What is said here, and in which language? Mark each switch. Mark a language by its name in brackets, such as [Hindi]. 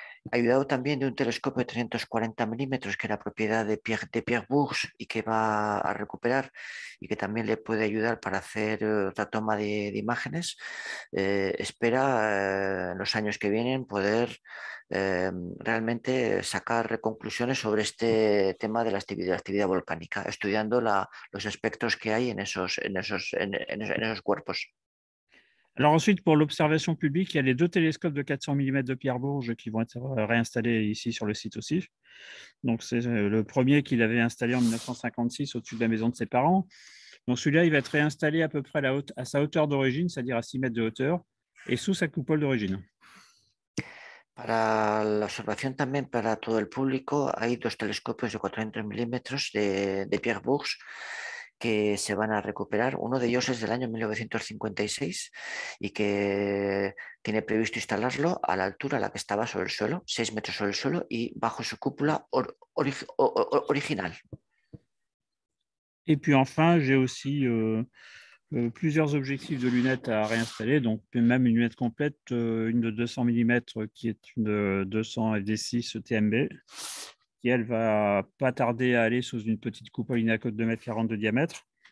[Spanish] ayudado también de un telescopio de 340 milímetros que era propiedad de Pierre Bourges y que va a recuperar y que también le puede ayudar para hacer otra toma de imágenes, espera en los años que vienen poder realmente sacar conclusiones sobre este tema de la actividad volcánica, estudiando los espectros que hay en esos cuerpos. [French] Alors ensuite, pour l'observation publique, il y a les deux télescopes de 400 mm de Pierre Bourges qui vont être réinstallés ici sur le site aussi. Donc c'est le premier qu'il avait installé en 1956 au-dessus de la maison de ses parents. Donc celui-là, il va être réinstallé à peu près à sa hauteur d'origine, c'est-à-dire à 6 mètres de hauteur, et sous sa coupole d'origine. [Spanish] Para la observación también para todo el público hay dos telescopios de 400 milímetros de Pierre Bourges que se van a recuperar. Uno de ellos es del año 1956 y que tiene previsto instalarlo a la altura a la que estaba sobre el suelo, 6 metros sobre el suelo y bajo su cúpula original. [French] Et puis enfin, j'ai aussi plusieurs objectifs de lunettes à réinstaller, donc même une lunette complète, une de 200 mm qui est une 200 FD6 TMB, qui elle va pas tarder à aller sous une petite coupole inacote de 2,40 m de diamètre.